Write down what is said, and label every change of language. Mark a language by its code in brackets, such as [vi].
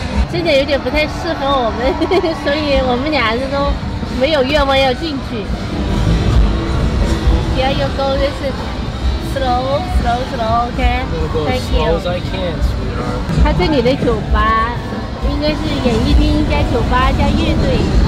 [zh] 这点有点不太适合我们，所以我们俩这都没有愿望要进去。 [en] Yeah, you go this slow, slow, slow, okay? Thank you. As slow as I can, sweetheart. [zh] 他这里的酒吧应该是演艺厅加酒吧加乐队。